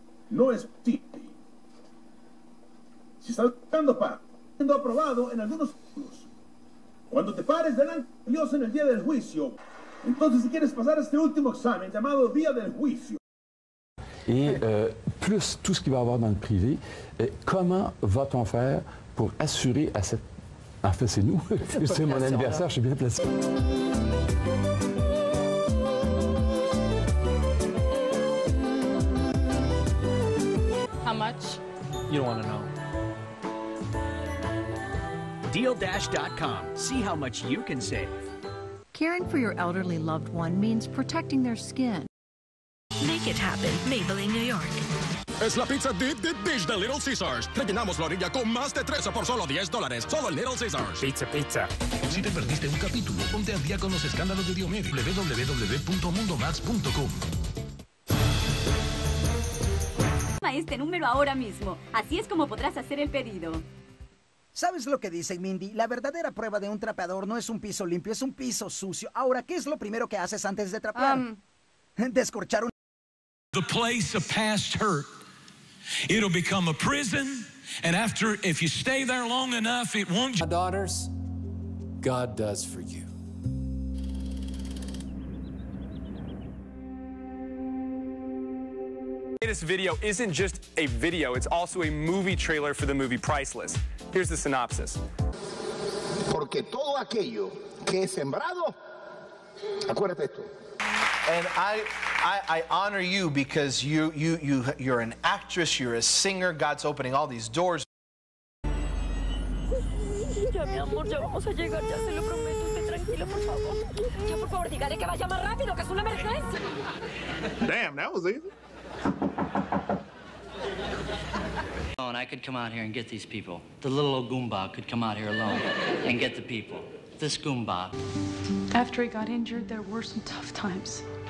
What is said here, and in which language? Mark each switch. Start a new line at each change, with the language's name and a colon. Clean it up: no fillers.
Spanish: No es tipi. Si estás buscando para, siendo aprobado en algunos puntos. Cuando te pares delante de Dios en el día del juicio, entonces si quieres pasar este último examen llamado día del juicio,
French: et plus tout ce qu'il va avoir dans le privé, comment va-t-on faire pour assurer à cette... En fait, c'est nous. C'est mon anniversaire, je suis bien placé.
English: How much? You don't want to know. DealDash.com. See how much you can save. Caring for your elderly loved one means protecting their skin. Make it happen, Maybelline, New York.
Spanish: Es la pizza deep dip dish de Little Caesars. Rellenamos la orilla con más de 13 por solo $10. Solo en Little Caesars. Pizza, pizza. Si te perdiste un capítulo, ponte al día con los escándalos de Diomedes. www.mundomax.com. Llama este número ahora mismo. Así es como podrás hacer el pedido. ¿Sabes lo que dice Mindy? La verdadera prueba de un trapeador no es un piso limpio, es un piso sucio. Ahora, ¿qué es lo primero que haces antes de trapear? Descorchar un...
English: The place of past hurt, it'll become a prison, and after, if you stay there long enough, it won't... My daughters, God does for you. The latest video isn't just a video, it's also a movie trailer for the movie Priceless. Here's the synopsis.
Spanish: Porque todo aquello que es sembrado, acuérdate esto.
English: And I honor you because you're an actress, you're a singer. God's opening all these doors.
Spanish: Ya, mi amor, ya vamos a llegar, ya se lo prometo. Esté tranquila, por favor. Ya, por favor, dígale que vaya más rápido, que es una emergencia.
English: Damn, that was easy. Oh, and I could come out here and get these people. The little old Goomba could come out here alone and get the people. This Goomba. After he got injured, there were some tough times.